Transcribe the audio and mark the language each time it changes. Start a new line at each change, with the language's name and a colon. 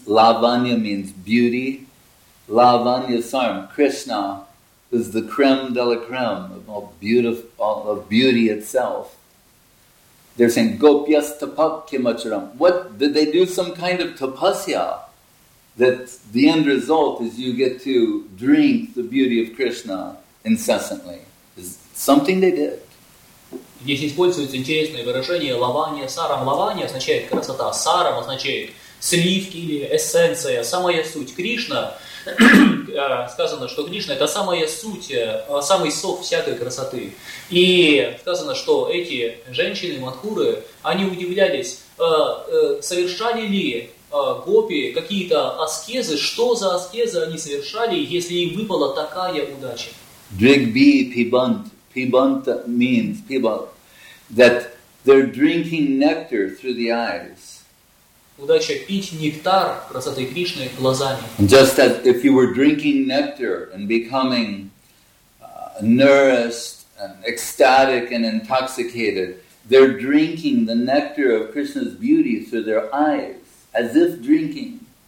English: Lavanya means beauty. Lavanya Saram, Krishna, is the creme de la creme of all beautiful, of beauty itself. They're saying,
Sanskrit: Gopyas tapap kimacharam.
English: What? Did they do some kind of tapasya? That the end result is you get to drink the beauty of Krishna incessantly. Is something they did.
Russian: Здесь используется интересное выражение лавания сарам. Лавания означает красота, сарам означает сливки или эссенция, самая суть. Кришна, сказано, что Кришна это самая суть, самый сок всякой красоты. И сказано, что эти женщины, мадхуры, они удивлялись, совершали ли гопи какие-то аскезы, что за аскезы они совершали, если им выпала такая удача.
Sanskrit: Дригби пибант.
English: Pibanta means pibal, that they're drinking nectar through the eyes.
Russian: Удача пить нектар красоты Кришны глазами.
English: Just that if you were drinking nectar and becoming nourished and ecstatic and intoxicated, they're drinking the nectar of Krishna's beauty through their eyes, as if drinking.